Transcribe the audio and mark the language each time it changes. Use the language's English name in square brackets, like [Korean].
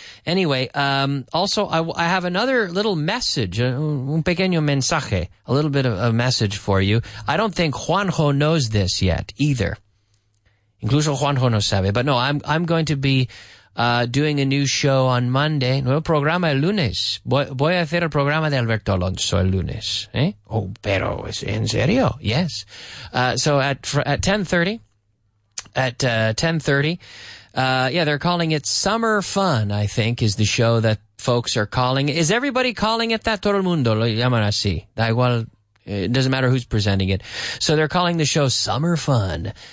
[English] Anyway, also I have another little message, [Spanish] un pequeño mensaje, [English] a little bit of a message for you. I don't think Juanjo knows this yet either. [Spanish] Incluso Juanjo no sabe, [English] but no, I'm going to be, doing a new show on Monday. [Spanish] Nuevo programa el lunes. Voy a hacer el programa de Alberto Alonso el lunes. ¿Eh? Oh, pero es en serio. [English] Yes. So at 10:30, at 10:30, yeah, they're calling it Summer Fun, I think, is the show that folks are calling. Is everybody calling it that? [Spanish] Todo el mundo lo llaman así. Da igual. [English] It doesn't matter who's presenting it. So they're calling the show Summer Fun.